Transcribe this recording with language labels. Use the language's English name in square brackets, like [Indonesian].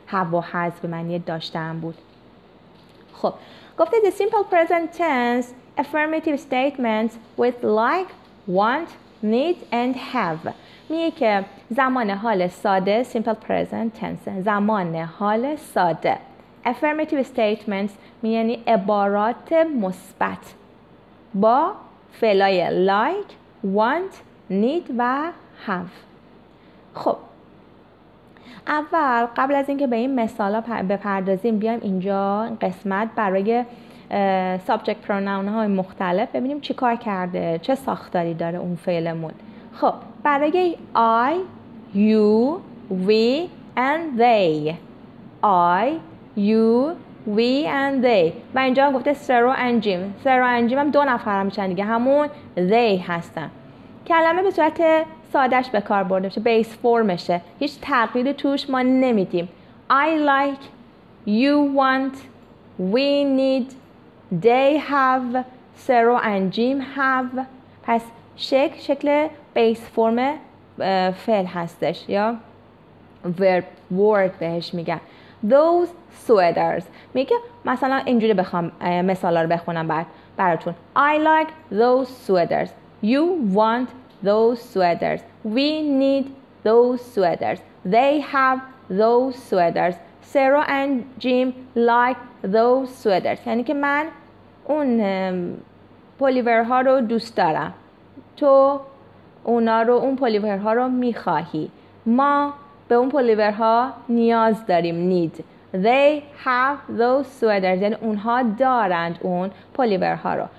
[Persian] have و has به معنی داشتن بود. خب گفته [English] the simple present tense affirmative statements with like, want, need and have. [Persian] میگه که زمان حال ساده simple present tense، زمان حال ساده affirmative statements یعنی عبارات مثبت با فعلای like, want, need و have. خب اول قبل از اینکه به این مثالا بپردازیم، بیایم اینجا قسمت برای subject pronoun های مختلف ببینیم چی کار کرده، چه ساختاری داره اون فعلمون. خب برای [English] I, you, we and they، I, you, we and they، [Persian] و اینجا هم گفته [English] Sarah and Jim. [Persian] Sarah and Jim هم دو نفر هم میشن دیگه، همون they هستن. کلمه به صورت سادش به کار برده میشه، base formشه، هیچ تغییری توش ما نمیدیم. [English] I like, you want, we need، they have، Sarah and Jim have. [Persian] پس شکل بیس فرم فعل هستش یا verb word بهش میگن. those sweaters میگه مثلا اینجوری بخوام مثالا رو بخونم براتون. [English] I like those sweaters. You want those sweaters. We need those sweaters. They have those sweaters. Sarah and Jim like those sweaters. [Persian] یعنی که من اون پولیور ها رو دوست دارم، تو اونا رو، اون پولیور ها رو میخواهی، ما به اون پولیور ها نیاز داریم، need. [English] They have those sweaters، [Persian] یعنی اونها دارند اون پولیور ها رو.